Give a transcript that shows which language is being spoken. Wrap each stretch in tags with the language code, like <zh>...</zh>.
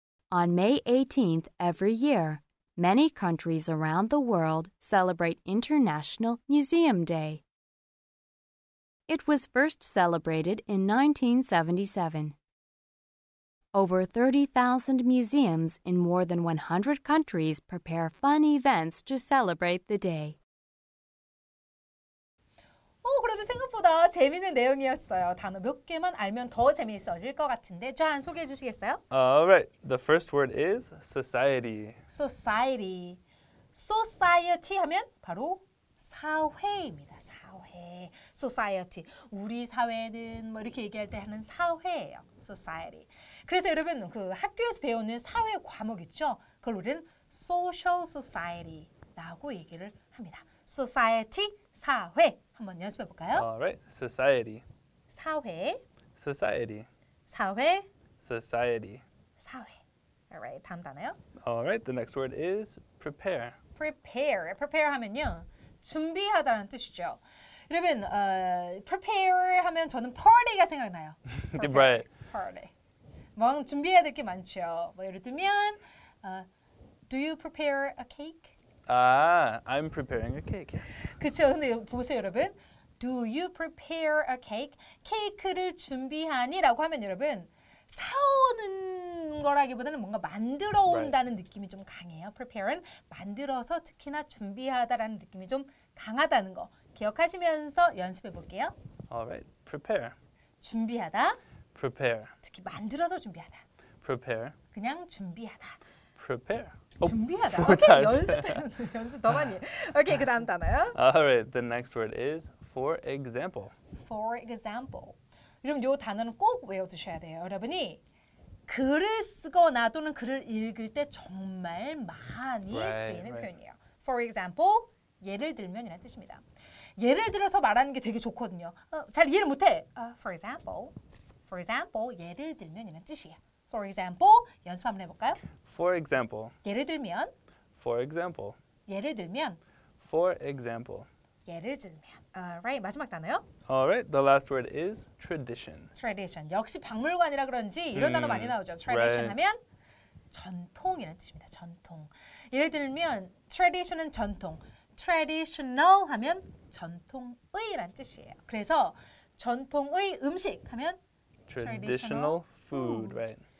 <en>On May 18th every year, many countries around the world celebrate International Museum Day. It was first celebrated in 1977. Over 30,000 museums in more than 100 countries prepare fun events to celebrate the day.</en> <ko>그래도 생각보다 재미있는 내용이었어요. 단어 몇 개만 알면 더 재미있어질 것 같은데 잘 소개해 주시겠어요?</ko> <en>Alright, the first word is society. Society.</en> <ko>Society 하면 바로 사회입니다. 사회. Society. 우리 사회는 뭐 이렇게 얘기할 때 하는 사회예요.</ko> <en>Society.</en> <ko>그래서 여러분 그 학교에서 배우는 사회 과목 있죠? 그걸 우리는 social society라고 얘기를 합니다. Society, 사회. 한번 연습해 볼까요?</ko> <en>Alright, society.</en> <ko>사회.</ko> <en>Society.</en> <ko>사회.</ko> <en>Society.</en> <ko>사회. Alright, 다음 단어요?</ko> <en>Alright, the next word is prepare. Prepare.</en> <ko>Prepare 하면요. 준비하다라는 뜻이죠. 여러분, prepare 하면 저는 party가 생각나요.</ko> <en>Right.</en> <ko>Party. 뭐 준비해야 될 게 많죠. 뭐 예를 들면,</ko> <en>do you prepare a cake? I'm preparing a cake, yes.</en> <ko>그쵸, 근데 보세요, 여러분.</ko> <en>Do you prepare a cake?</en> <ko>케이크를 준비하니? 라고 하면 여러분, 사오는 거라기보다는 뭔가 만들어 온다는 right. 느낌이 좀 강해요. Prepare은 만들어서 특히나 준비하다라는 느낌이 좀 강하다는 거 기억하시면서 연습해 볼게요.</ko> <en>Alright, prepare.</en> <ko>준비하다.</ko> <en>Prepare.</en> <ko>특히 만들어서 준비하다.</ko> <en>Prepare.</en> <ko>그냥 준비하다.</ko> <en>Prepare.</en> <ko>준비하다. 오케이, okay, 연습 더 많이. 오케이, okay, 그 다음 단어요.</ko> <en>Alright, the next word is for example. For example.</en> <ko>그럼 이 단어는 꼭 외워두셔야 돼요. 여러분이 글을 쓰거나 또는 글을 읽을 때 정말 많이 right, 쓰이는 right. 표현이에요.</ko> <en>For example,</en> <ko>예를 들면 이라는 뜻입니다. 예를 들어서 말하는 게 되게 좋거든요. 잘 이해를 못해.</ko> <en>For example, for example,</en> <ko>예를 들면 이라는 뜻이에요.</ko> <en>For example,</en> <ko>연습 한번 해볼까요?</ko> <en>For example.</en> <ko>예를 들면.</ko> <en>For example.</en> <ko>예를 들면.</ko> <en>For example.</en> <ko>예를 들면. Alright, 마지막 단어요.</ko> <en>Alright, the last word is tradition. Tradition.</en> <ko>역시 박물관이라 그런지 이런 단어 많이 나오죠.</ko> <en>Tradition right.</en> <ko>하면 전통이라는 뜻입니다. 전통. 예를 들면 tradition은 전통. Traditional 하면 전통의란 뜻이에요. 그래서 전통의 음식 하면</ko> <en>traditional food, right.</en>